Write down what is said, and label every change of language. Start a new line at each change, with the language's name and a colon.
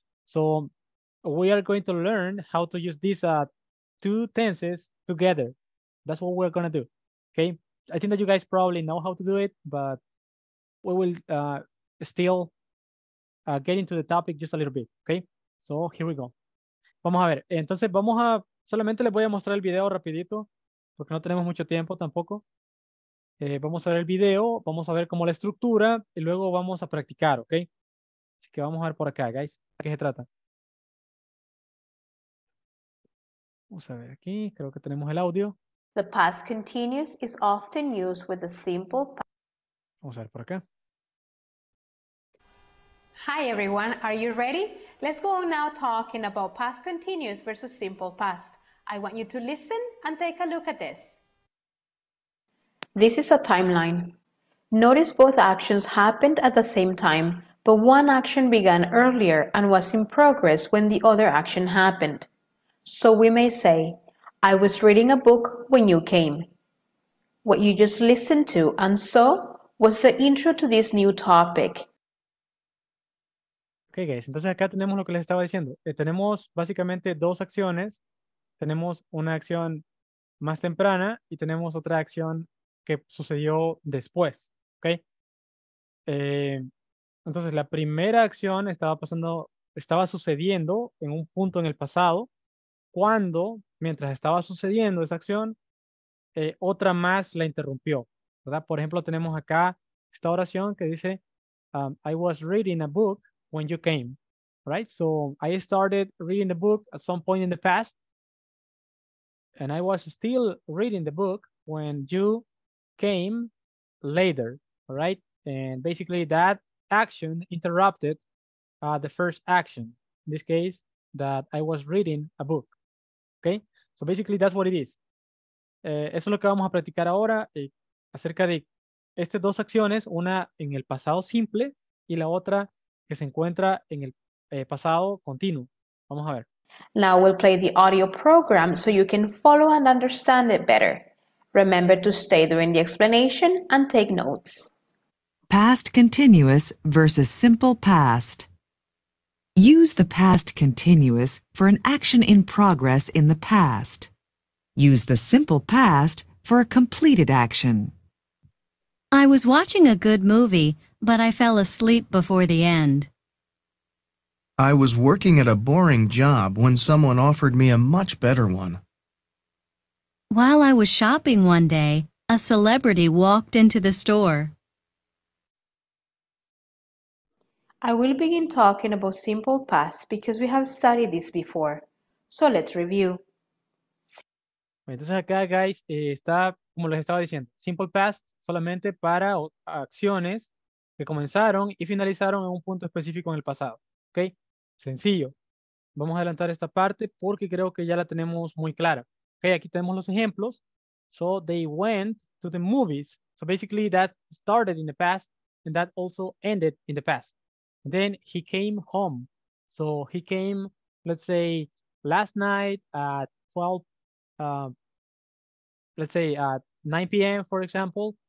English: So we are going to learn how to use these two tenses together. That's what we're gonna do, okay? I think that you guys probably know how to do it, but we will still get into the topic just a little bit, okay? So here we go.
Spanish: Vamos a ver, entonces vamos a, solamente les voy a mostrar el video rapidito, porque no tenemos mucho tiempo tampoco. Vamos a ver el video, vamos a ver cómo la estructura, y luego vamos a practicar, okay? Así que vamos a ver por acá, guys, ¿de qué se trata? Vamos a ver aquí, creo que tenemos el audio.
English: The past continuous is often used with a simple...
Spanish: Vamos a ver por acá.
English: Hi everyone, are you ready? Let's go now talking about past continuous versus simple past. I want you to listen and take a look at this. This is a timeline. Notice both actions happened at the same time, but one action began earlier and was in progress when the other action happened. So we may say, I was reading a book when you came. What you just listened to and saw was the intro to this new topic.
Spanish: Okay, guys, entonces acá tenemos lo que les estaba diciendo. Tenemos básicamente dos acciones. Tenemos una acción más temprana y tenemos otra acción que sucedió después, okay? Entonces la primera acción estaba pasando, estaba sucediendo en un punto en el pasado, cuando, mientras estaba sucediendo esa acción, otra más la interrumpió, ¿verdad? Por ejemplo, tenemos acá esta oración que dice,
English: I was reading a book when you came, right? So, I started reading the book at some point in the past, and I was still reading the book when you came later, right? And basically, that action interrupted the first action, in this case, that I was reading a book. Okay, so basically that's what it is.
Spanish: Eso es lo que vamos a practicar ahora acerca de estas dos acciones, una en el pasado simple y la otra que se encuentra en el pasado continuo. Vamos a ver.
English: Now we'll play the audio program so you can follow and understand it better. Remember to stay during the explanation and take notes. Past continuous versus simple past. Use the past continuous for an action in progress in the past. Use the simple past for a completed action. I was watching a good movie, but I fell asleep before the end. I was working at a boring job when someone offered me a much better one. While I was shopping one day, a celebrity walked into the store. I will begin talking about simple past because we have studied this before. So let's review.
Spanish: Entonces acá, guys, está, como les estaba diciendo, simple past solamente para acciones que comenzaron y finalizaron en un punto específico en el pasado. Okay? Sencillo. Vamos a adelantar esta parte porque creo que ya la tenemos muy clara.
English: Okay,
Spanish: aquí tenemos los ejemplos.
English: So they went to the movies. So basically that started in the past and that also ended in the past. Then he came home. So he came, let's say, last night at 12, let's say at 9 p.m., for example.